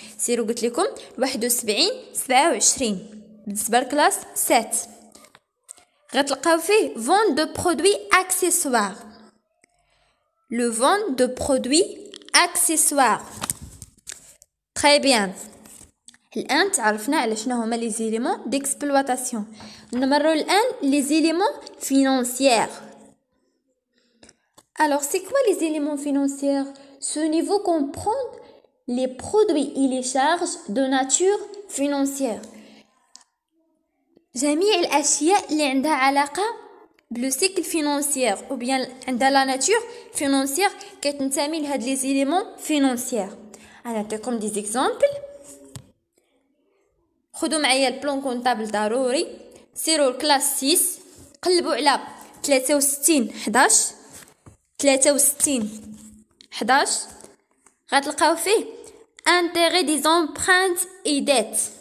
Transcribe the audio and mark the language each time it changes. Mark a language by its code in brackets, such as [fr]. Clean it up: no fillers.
[ar] سيرو قلت لكم 71 27 بالنسبه لكلاس 7 غتلقاو فيه فون دو برودوي اكسسوار لو فون دو برودوي اكسسوار. تري بيان الان تعرفنا على شنو هما لي زيليمون ديكسبلواتاسيون. نمروا الان لي زيليمون فينانسيير. [fr] alors c'est quoi les éléments financiers? ce niveau comprend les produits et les charges de nature financière. [ar] جميع الأشياء اللي عندها علاقة بالسيكل فينانسيير أو بيان عندها لا ناتور فينانسيير كتنتمي لهاد لي زيليمون فينانسيير. أنا نعطيكم دي زيكزامبل. خدوا معايا البلون كونطابل ضروري. سيروا الكلاس 6 قلبوا على 63 11 63 11 غتلقاو فيه انتيغي دي زومبرانت اي ديت.